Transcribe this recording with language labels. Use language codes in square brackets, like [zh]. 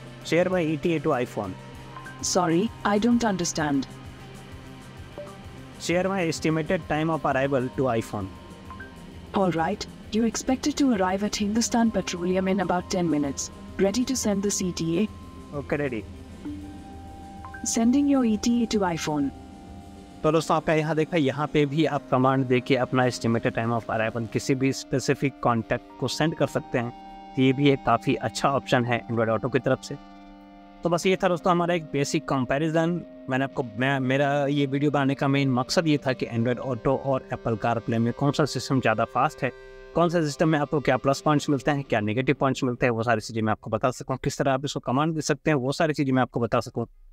[en] Share my ETA to iPhone, sorry I don't understand, share my estimated time of arrival to iPhone. Alright, you expected to arrive at Hindustan Petroleum in about 10 minutes, ready to send this ETA? Okay ready. Sending your ETA to iPhone. [hi] तो दोस्तों आपने यहाँ देखा यहाँ पे भी आप command देके अपना एस्टिमेटेड टाइम ऑफ अराइवल किसी भी स्पेसिफिक कॉन्टैक्ट को सेंड कर सकते हैं। तो ये भी एक काफ़ी अच्छा ऑप्शन है एंड्रॉइड ऑटो की तरफ से। तो बस ये था दोस्तों हमारा एक बेसिक कंपैरिजन। मैंने आपको मेरा ये वीडियो बनाने का मेन मकसद ये था कि एंड्रॉइड ऑटो और एप्पल कारप्ले में कौन सा सिस्टम ज़्यादा फास्ट है, कौन सा सिस्टम में आपको क्या प्लस पॉइंट्स मिलते हैं, क्या नेगेटिव पॉइंट्स मिलते हैं, वो सारी चीज़ें मैं आपको बता सकूँ, किस तरह आप इसको कमांड दे सकते हैं वो सारी चीज़ें मैं आपको बता सकूँ।